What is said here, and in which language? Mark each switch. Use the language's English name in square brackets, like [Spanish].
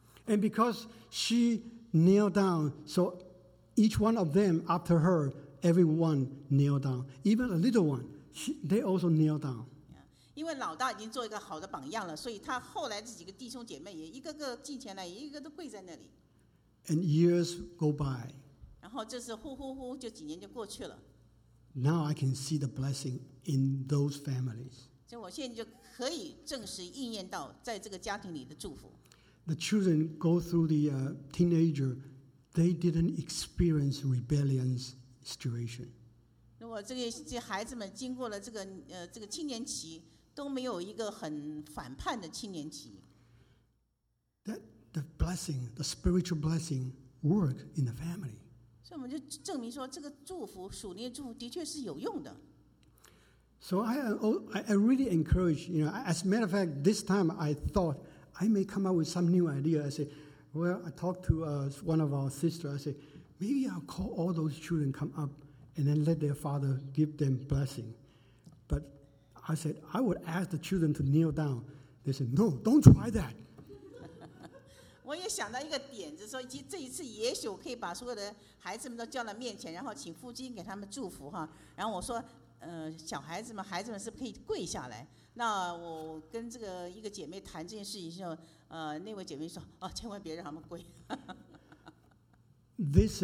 [English] And because she kneeled down, I can sense the blessing flowing to her. And because she kneeled down, so each one of them after her, everyone kneeled down. Even a little one, they also kneeled down. Because [Chinese] 老大已经做一个好的榜样了，所以他后来这几个弟兄姐妹也一个个进前来，也一个都跪在那里。 [English] And years go by. [Chinese] 然后这是呼呼呼，就几年就过去了。 [English] Now I can see the blessing in those families. [Chinese] 所以我现在就可以正式应验到在这个家庭里的祝福。 [English] The children go through the teenager, they didn't experience rebellion situation. [Chinese] 如果这些孩子们经过了这个青年期。都没有一个很反叛的青年期。 [English] That the blessing, the spiritual blessing, work in the family. [Chinese] 所以我们就证明说，这个祝福，属灵的祝福，的确是有用的。 [English] So I really encourage, you know, as a matter of fact, this time I thought I may come up with some new idea. I say, well, I talked to one of our sisters. I say, maybe I'll call all those children come up and then let their father give them blessing. But I said, I would ask the children to kneel down. They said, no, don't try that. [Chinese] 我也想到一个点子，说这一次也许我可以把所有的孩子们都叫到面前，然后请父亲给他们祝福哈。然后我说，小孩子们，孩子们是不是可以跪下来？那我跟这个一个姐妹谈这件事情的时候，那位姐妹说，哦，千万别让他们跪。 [English] This